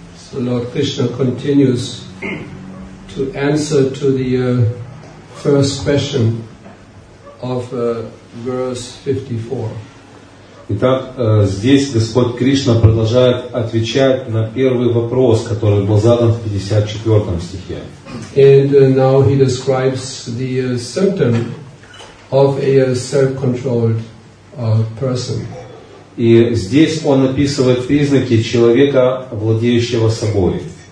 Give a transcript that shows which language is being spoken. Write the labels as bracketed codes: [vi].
[en] So Lord Krishna continues to answer to the first question of verse 54. [ru] Итак, здесь Господь Кришна продолжает отвечать на первый вопрос, который был задан в 54 стихе. [en] And now he describes the symptom of a self-controlled person. [ru] И здесь он описывает признаки человека, владеющего собой.